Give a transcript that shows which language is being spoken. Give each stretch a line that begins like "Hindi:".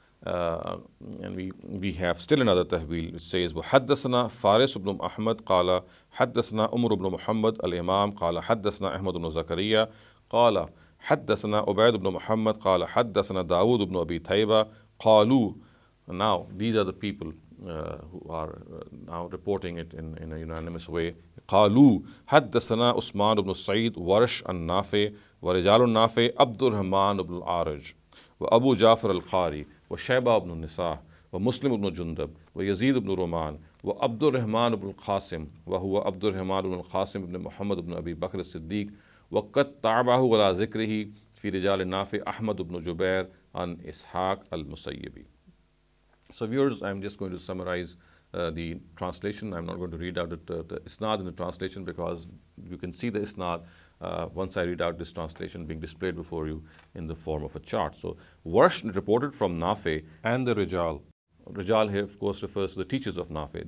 English: And we have still another tahweel. It says,
Arabic: وحدثنا فارس بن أحمد قال حدثنا عمر بن محمد الإمام قال حدثنا أحمد بن زكريا قال حدثنا عبيد بن محمد قال حدثنا داود بن أبي ثيبة قالوا.
English: Now these are the people who are now reporting it in a unanimous way.
Arabic: قالوا حدثنا عثمان بن سعيد ورش النافع ورجال النافع عبد الرحمن بن العارج وأبو جعفر القاري وشيبة بن النساء ومسلم بن جندب ويزيد بن رومان وعبد الرحمن بن القاسم وهو عبد الرحمن بن القاسم بن محمد بن أبي بكر الصديق وقد تعبه على ذكره في رجال النافع أحمد بن جبير عن إسحاق المسيبي.
English: So viewers, I'm just going to summarize The translation, I'm not going to read out the isnad in the translation because you can see the isnad once I read out this translation being displayed before you in the form of a chart. So, Warsh reported from Nafi and the Rijal. Rijal here, of course, refers to the teachers of Nafi.